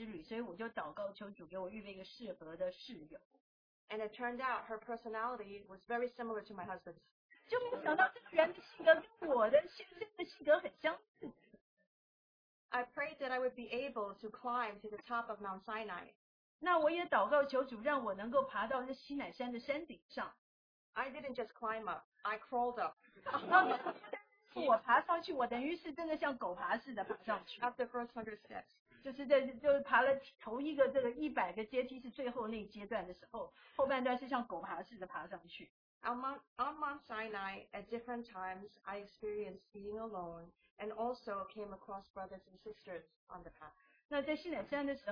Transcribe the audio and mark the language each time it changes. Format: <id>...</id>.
<zh>那因为呢，我要自己去参加这个研习之旅，所以我就祷告求主给我预备一个适合的室友.</zh> <en>And it turned out her personality was very similar to my husband's.</en> <zh>就没想到这个人的性格跟我的现在的性格很相似.</zh> <en>I prayed that I would be able to climb to the top of Mount Sinai.</en> <zh>那我也祷告求主让我能够爬到这西乃山的山顶上.</zh> <en>I didn't just climb up, I crawled up.</en> <zh>我爬上去，我等于是真的像狗爬似的爬上去。</zh> <en>After first 100 steps.</en> <zh>就是在就爬了头一个这个100个阶梯是最后那个阶段的时候，后半段是像狗爬似的爬上去。</zh> <en>On Mount Sinai, at different times, I experienced being alone and also came across brothers and sisters on the path.</en>